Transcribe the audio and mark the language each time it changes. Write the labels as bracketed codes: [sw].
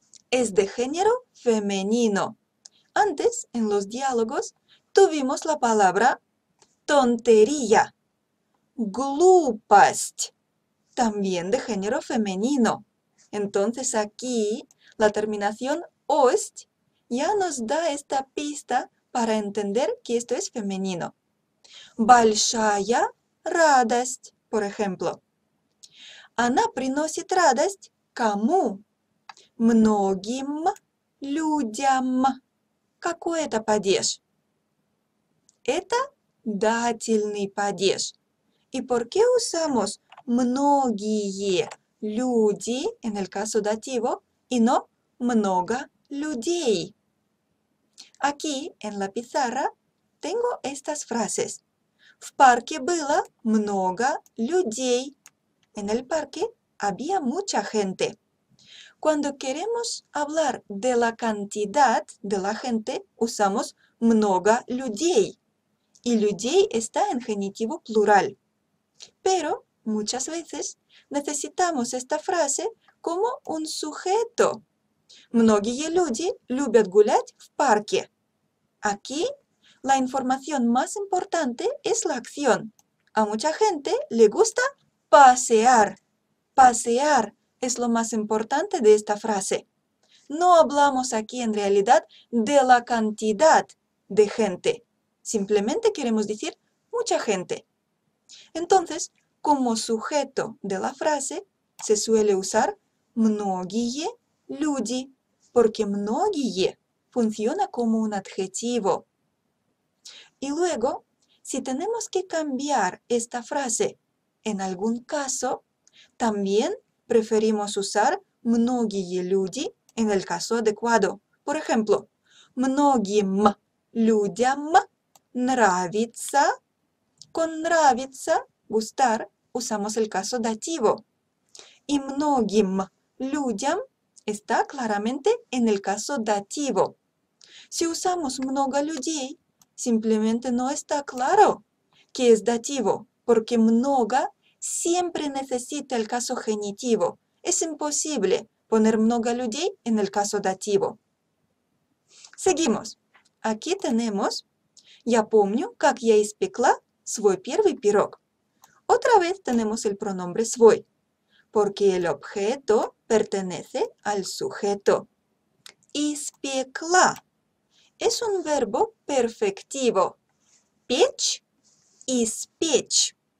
[es] Es de género femenino. Antes, en los diálogos, tuvimos la palabra «tontería», «глупость», también de género femenino. Entonces, aquí, la terminación «ость» ya nos da esta pista para entender que esto es femenino. [ru] «Большая» радость, [es] por ejemplo. [ru] Она приносит радость кому? Многим людям. Какой это падеж? Это дательный падеж. [es] ¿Y por qué usamos [ru] многие люди, [es] en el caso dativo, y no [ru] много людей. [es] Aquí, en la pizarra, tengo estas frases. [ru] В парке было много людей. [es] En el parque había mucha gente. Cuando queremos hablar de la cantidad de la gente, usamos [ru] много людей. [es] Y людей está en genitivo plural. Pero muchas veces necesitamos esta frase como un sujeto. [ru] Многие люди любят гулять в парке. [es] Aquí la información más importante es la acción. A mucha gente le gusta pasear. Pasear es lo más importante de esta frase. No hablamos aquí en realidad de la cantidad de gente. Simplemente queremos decir mucha gente. Entonces, como sujeto de la frase, se suele usar [ru] многие люди, [es] porque многие funciona como un adjetivo. Y luego, si tenemos que cambiar esta frase en algún caso, también preferimos usar [ru] многие люди [es] en el caso adecuado. Por ejemplo, [ru] многим людям нравится. [es] Con нравится, gustar, usamos el caso dativo. Y [ru] многим людям [es] está claramente en el caso dativo. Si usamos [ru] много людей, [es] simplemente no está claro que es dativo, porque много siempre necesita el caso genitivo. Es imposible poner [ru] много людей [es] en el caso dativo. Seguimos. Aquí tenemos, [ru] ya помню, как я испекла свой первый пирог. [es] Otra vez tenemos el pronombre свой, porque el objeto pertenece al sujeto. Испекла. Es un verbo perfectivo. [ru] Печь, испечь.